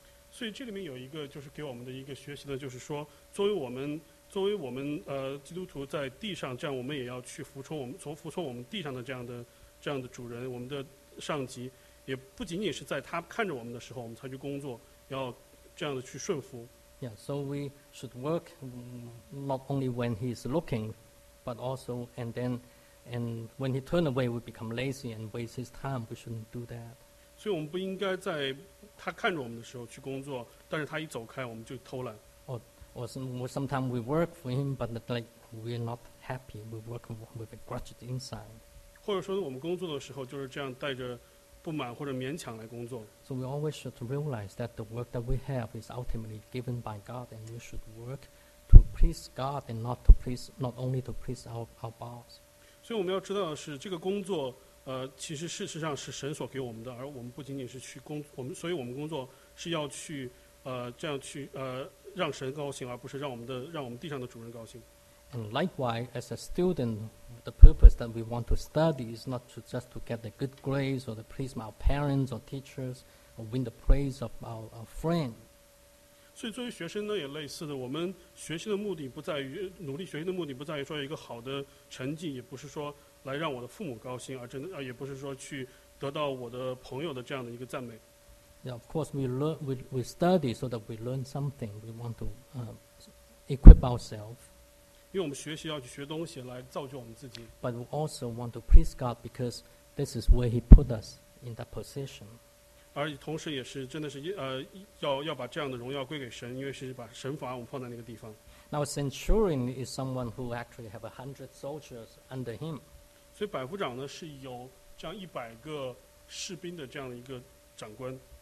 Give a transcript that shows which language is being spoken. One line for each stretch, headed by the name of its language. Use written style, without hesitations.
Chinese: 所以这里面有一个就是给我们的一个学习的，就是说作为我们基督徒在地上，这样我们也要去服从我们地上的这样的主人，我们的上级，也不仅仅是在他看着我们的时候我们才去工作，要这样的去顺服。
English: Yeah, so we should work not only when he is looking, but also and when he turn away we become lazy and waste his time. We shouldn't do that.
Chinese: 所以我们不应该在他看着我们的时候去工作，但是他一走开我们就偷懒。
English: Sometimes we work for him, but like we're not happy. We work with a grudge inside.
Chinese: 或者说我们工作的时候就是这样带着不满或者勉强来工作。
English: So we always should realize that the work that we have is ultimately given by God, and we should work to please God and not only to please our boss.
Chinese: 所以我们要知道的是，这个工作，其实事实上是神所给我们的，而我们不仅仅是去工，所以我们工作是要去，这样去，让神高兴，而不是让我们地上的主人高兴。
English: And likewise, as a student, the purpose that we want to study is not to just to get the good grades or to please our parents or teachers or win the praise of our friend.
Chinese: 所以作为学生呢，也类似的，我们学习的目的不在于努力学习的目的不在于说有一个好的成绩，也不是说来让我的父母高兴，而真的也不是说去得到我的朋友的这样的一个赞美。
English: Yeah, of course, we study so that we learn something. We want to equip ourselves.
Chinese: 因为我们学习要去学东西来造就我们自己。
English: But we also want to please God because this is where He put us in that position.
Chinese: 而同时也是真的是要把这样的荣耀归给神，因为是把神把我们放在那个地方。
English: Now, a centurion is someone who actually have 100 soldiers under him.
Chinese: 所以百夫长呢是有这样一百个士兵的这样的一个长官。